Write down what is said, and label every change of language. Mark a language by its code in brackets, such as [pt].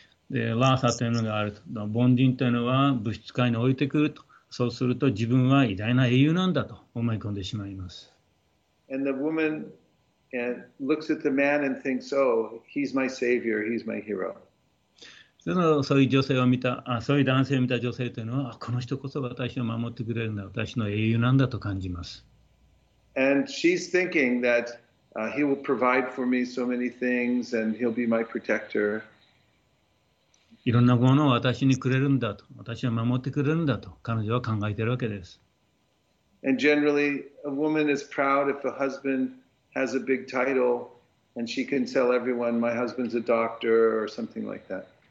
[ja] でラーサというのがあると、凡人というのは物質界に降りてくると、そうすると自分は偉大な英雄なんだと思い込んでしまいます。 [en] And the woman looks at the man and thinks, oh, he's my savior, he's my hero. [ja] そういう男性を見た女性というのは、この人こそ私を守ってくれるんだ、私の英雄なんだと感じます。 [en] And she's thinking that he will provide for me so many things and he'll be my protector. [ja] いろんなものを私にくれるんだと、私は守ってくれるんだと、彼女は考えているわけです。 [en] And generally, a woman is proud if a husband has a big title and she can tell everyone, my husband's a doctor or something like that.